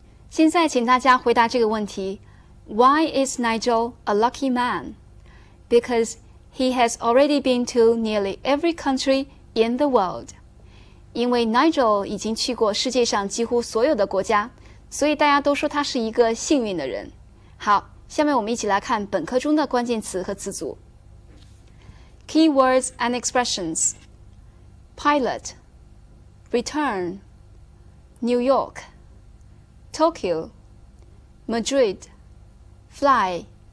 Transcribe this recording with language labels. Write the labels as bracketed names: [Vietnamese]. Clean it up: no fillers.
[Chinese] 现在请大家回答这个问题。 [English] Why is Nigel a lucky man? Because he has already been to nearly every country in the world. [Chinese] 因为 Nigel 已经去过世界上几乎所有的国家，所以大家都说他是一个幸运的人。好。下面我们一起来看本课中的关键词和词组。 [English] Keywords and expressions. Pilot. Return. New York. Tokyo. Madrid. Fly.